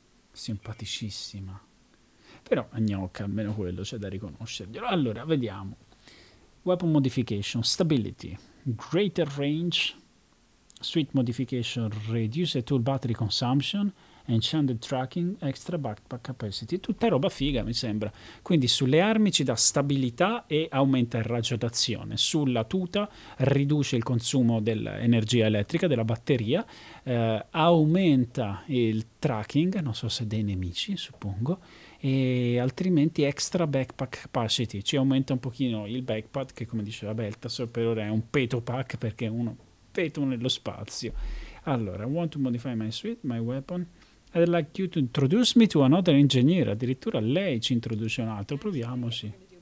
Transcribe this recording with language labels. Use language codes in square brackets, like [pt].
[it] Simpaticissima, però gnocca, almeno quello c'è da riconoscerglielo. Allora, vediamo. [en] Weapon modification, stability, greater range, suit modification, reduce tool battery consumption, enchanted tracking, extra backpack capacity. [it] Tutta roba figa, mi sembra. Quindi sulle armi ci dà stabilità e aumenta il raggio d'azione. Sulla tuta riduce il consumo dell'energia elettrica, della batteria. Aumenta il tracking, non so se dei nemici, suppongo. E altrimenti extra backpack capacity. Ci aumenta un pochino il backpack, che come diceva Beltasor, per ora è un petopack perché è uno peto nello spazio. Allora, [en] I want to modify my suit, my weapon. I'd like you to introduce me to another engineer. [it] Addirittura lei ci introduce un altro. Proviamoci.